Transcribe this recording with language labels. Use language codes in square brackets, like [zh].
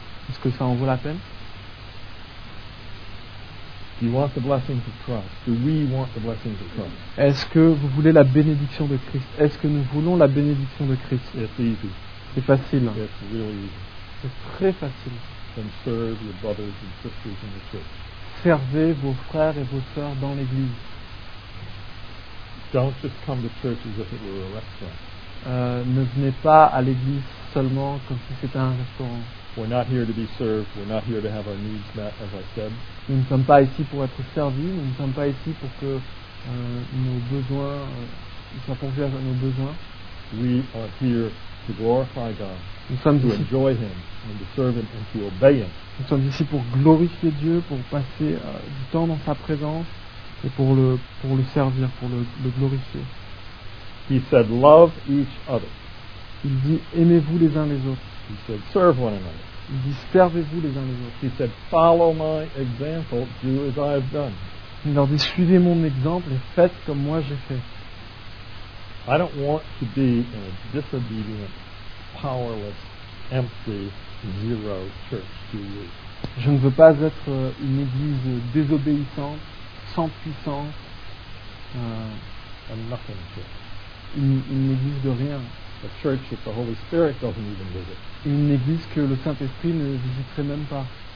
[fr] Est-ce que ça en vaut la peine? [en] Do you want the blessings of Christ? Do we want the blessings of Christ? [fr] Est-ce que vous voulez la bénédiction de Christ? Est-ce que nous voulons la bénédiction de Christ? [en] It's easy. [fr] C'est facile. [en] It's really easy. [fr] C'est très facile. [en] Then serve your brothers and sisters in the church. [fr] Servez vos frères et vos sœurs dans l'église. [en] Don't just come to church as if it were a restaurant. [fr] Ne venez pas à l'église seulement comme si c'était un restaurant. [en] We're not here to be served. We're not here to have our needs met, as I said. [fr] Nous ne sommes pas ici pour être servis. Nous ne sommes pas ici pour que nos besoins soient pourvus à nos besoins. [en] We are here to glorify God. [fr] Nous sommes [en] to enjoy Him and to serve Him and to obey Him. [fr] Nous sommes ici pour glorifier Dieu, pour passer du temps dans sa présence et pour le servir, pour le glorifier. [en] He said, "Love each other." [fr] Il dit, aimez-vous les uns les autres. [en] He said, serve one another. [fr] Il dit, servez-vous les uns les autres. [en] He said, follow my example, do as I have done. [fr] Il leur dit, suivez mon exemple et faites comme moi j'ai fait. [en] I don't want to be in a disobedient, powerless, empty, zero church to you. [fr] Je ne veux pas être une église désobéissante, sans puissance, [en] a nothing church. [fr] Une église de rien. [en] A church that the Holy Spirit doesn't even visit. [fr] Une église que le Saint-Esprit ne visiterait même pas.